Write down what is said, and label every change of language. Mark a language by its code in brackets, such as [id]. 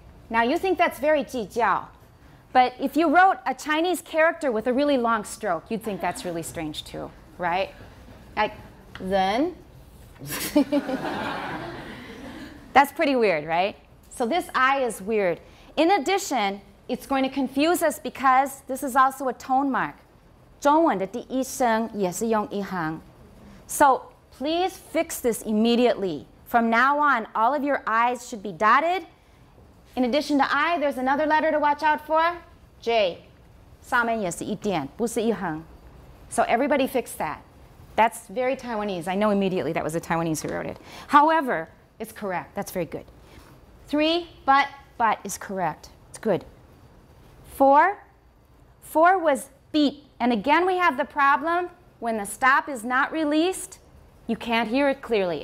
[en] Now, you think that's very jijiao, but if you wrote a Chinese character with a really long stroke, you'd think that's really strange too, right? Like, then? That's pretty weird, right? So this I is weird. In addition, it's going to confuse us because this is also a tone mark. [zh] 中文的第一声也是用一行. [en] So please fix this immediately. From now on, all of your I's should be dotted. In addition to I, there's another letter to watch out for, J. [zh] 上面也是一点,不是一行. [en] So everybody fix that. That's very Taiwanese. I know immediately that was a Taiwanese who wrote it. However, it's correct. That's very good. Three, but is correct. It's good. Four was beat. And again, we have the problem, when the stop is not released, you can't hear it clearly.